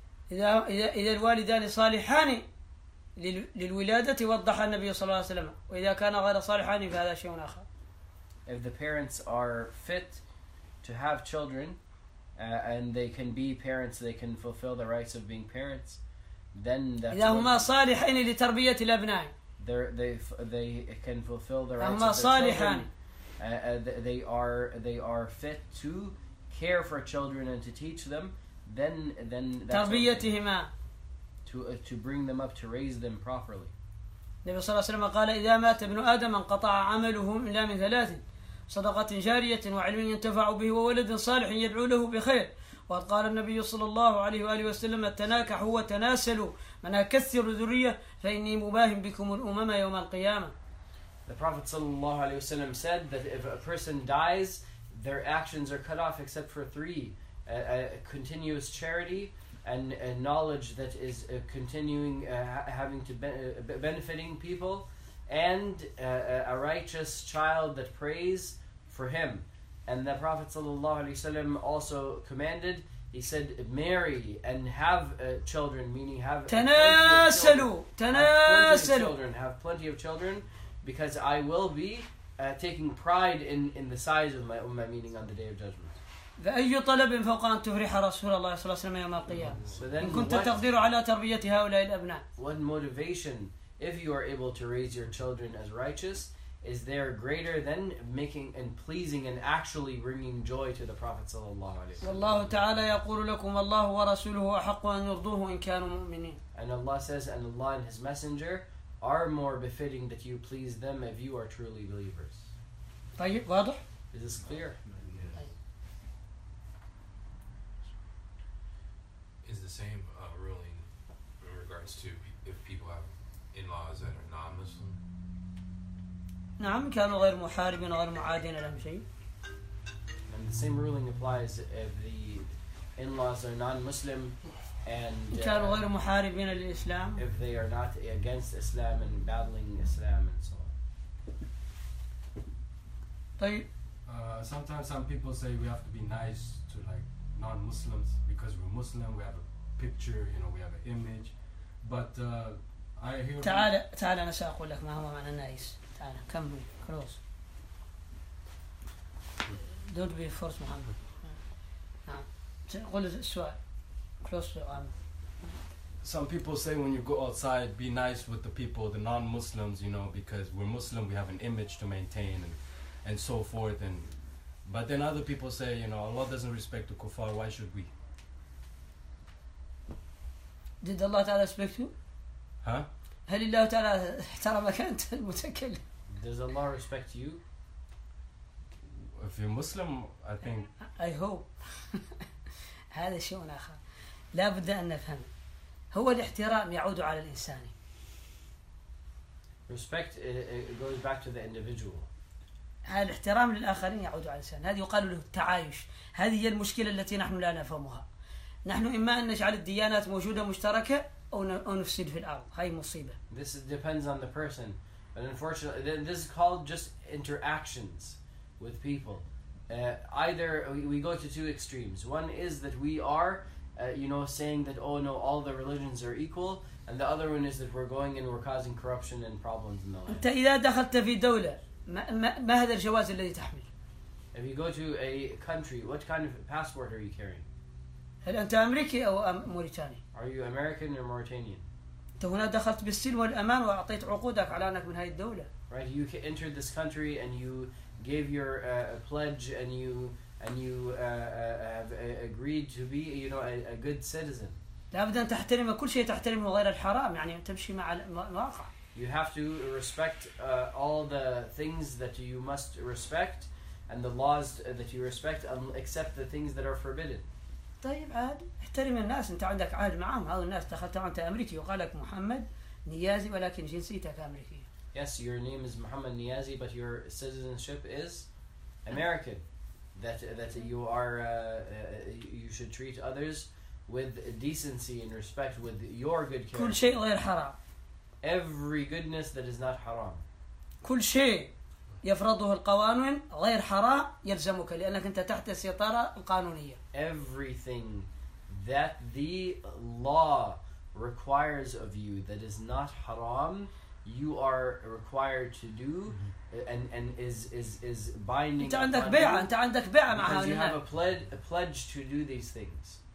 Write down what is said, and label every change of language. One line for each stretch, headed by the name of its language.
Arabic: إذا الوالدان صالحان للولادة وضح النبي صلى الله عليه وسلم وإذا كان غير صالحان فهذا شيء آخر.
English: If the parents are fit to have children and they can be parents, they can fulfill the rights of being parents, then that's
Arabic: إذا هما صالحين لتربية الأبناء.
English: They can fulfill the rights of their
Arabic: صالحان.
English: They are fit to care for children and to teach them. Then that's
Arabic: تربيتهما.
English: To bring them up, to raise them properly.
Arabic: النبي صلى الله عليه وسلم قال إذا مات ابن آدم انقطع عمله إلا من ثلاث: صدقة جارية، وعلم ينتفع به، وولد صالح يدعو له بخير. وقال النبي صلى الله عليه وآله وسلم: التناكحوا وتناسلوا، من أكثر ذرية فإني مباهم بكم الأمم يوم القيامة.
English: The Prophet
Arabic: صلى الله عليه وسلم
English: said that if a person dies, their actions are cut off except for three: a continuous charity and a knowledge that is continuing, having to benefiting people, and a righteous child that prays for him. And the Prophet ﷺ also commanded, he said, marry and have children, meaning have plenty of children, because I will be taking pride in the size of my ummah, meaning on the Day of Judgment.
Arabic: فأي طلب فوق أن تفرح رسول الله صلى الله عليه وسلم يوم القيامة إن كنت تقدر على تربية هؤلاء الأبناء.
English: What motivation, if you are able to raise your children as righteous, is there greater than making and pleasing and actually bringing joy to the Prophet
Arabic: صلى الله عليه وسلم؟ والله تعالى يقول لكم والله ورسوله أحق أن يرضوه إن كانوا مؤمنين.
English: And Allah says, and Allah and His Messenger are more befitting that you please them if you are truly believers.
Arabic: طيب واضح؟
English: Is this clear? Is the same ruling in regards to if people have in-laws that are non-Muslim?
Arabic: نعم كانوا غير محاربين غير معادين لهم شيء.
English: And the same ruling applies if the in-laws are non-Muslim and
Arabic: كانوا غير محاربين للإسلام.
English: If they are not against Islam and battling Islam and so on.
Arabic: طيب.
English: Sometimes some people say we have to be nice to like non-Muslims because we're Muslim, we have a picture, you know, we have an image. But I hear.
Arabic: تعال تعال أنا سأقول لك ما هو معنى نايس. تعال كمل كروس.
English: Don't be forced, Muhammad.
Arabic: نعم. قل السؤال. كروس سؤال.
English: Some people say when you go outside, be nice with the people, the non-Muslims, you know, because we're Muslim, we have an image to maintain, and so forth, and. But then other people say, you know, Allah doesn't respect the kuffar, why should we? Did Allah Ta'ala respect you? Huh?
Arabic: هل الله تعالى احترمك أنت المتكلم?
English: Does Allah respect you? If you're Muslim, I think. I hope.
Arabic: هذا شيء آخر. لا بد أن نفهم. هو الاحترام يعود على الإنسان.
English: Respect goes back to the individual.
Arabic: الاحترام للآخرين يعود على الإنسان. هذه يقال له التعايش. هذه هي المشكلة التي نحن لا نفهمها. نحن إما أن نجعل الديانات موجودة مشتركة أو نفسد في الأرض. هاي مصيبة.
English: This depends on the person, but unfortunately, this is called just interactions with people. Either we go to two extremes. One is that we are, you know, saying that oh no, all the religions are equal, and the other one is that we're going and we're causing corruption and problems in the land.
Arabic: أنت إذا دخلت في دولة ما هذا الجواز الذي تحمل؟
English: If you go to a country, what kind of passport are you carrying?
Arabic: هل أنت أمريكي أو موريتاني؟
English: Are you American or Mauritanian?
Arabic: أنت هنا دخلت بالسلم والأمان وأعطيت عقودك على أنك من هاي الدولة.
English: Right, you entered this country and you gave your pledge and you have agreed to be, you know, a good citizen.
Arabic: لابد أن تحترم كل شيء تحترمه غير الحرام، يعني تمشي مع الواقع.
English: You have to respect all the things that you must respect and the laws that you respect except the things that are forbidden.
Arabic: طيب عاد احترم الناس انت عندك عهد معهم هؤلاء الناس دخلت انت امريكي وقال لك محمد نيازي ولكن جنسيتك امريكيه.
English: yes, your name is Muhammad Niyazi, but your citizenship is American. That you are, you should treat others with decency and respect, with your good character.
Arabic: كل شيء غير حرام.
English: Every goodness that is not haram.
Arabic: كل شيء يفرضه القوانين غير حرام يلزمك لأنك أنت تحت السيطرة القانونية.
English: Everything that the law requires of you that is not haram, you are required to do, and is binding.
Arabic: أنت عندك بيعة. أنت عندك بيعة مع هؤلاء.
English: You have a pledge to do these things.